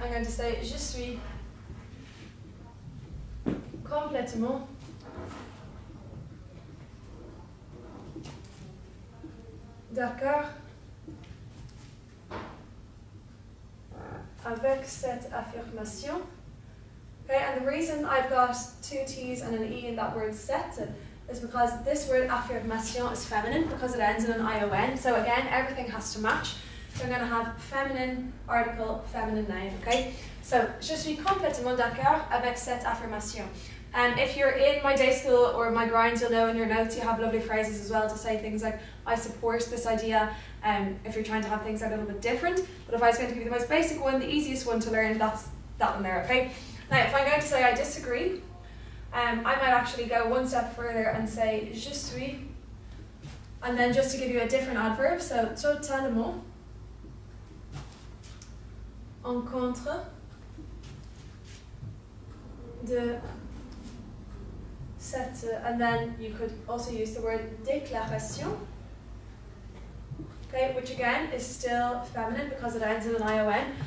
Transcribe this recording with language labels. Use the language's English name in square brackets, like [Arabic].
[English] I'm going to say, [French] je suis complètement d'accord avec cette affirmation. [English] Okay, and the reason I've got 2 T's and an E in that word cette is because this word affirmation is feminine because it ends in an I-O-N. So again, everything has to match. So I'm going to have feminine article, feminine noun, okay? [French] So, je suis complètement d'accord avec cette affirmation. [English] And if you're in my day school or my grinds, you'll know in your notes you have lovely phrases as well to say things like, I support this idea, if you're trying to have things a little bit different. But if I was going to give you the most basic one, the easiest one to learn, that's that one there, okay? Now, if I'm going to say I disagree, I might actually go one step further and say, [French] je suis, [English] and then just to give you a different adverb, so [French] totalement, en contre de cette, [English] and then you could also use the word déclaration, okay, which again is still feminine because it ends in an I-O-N.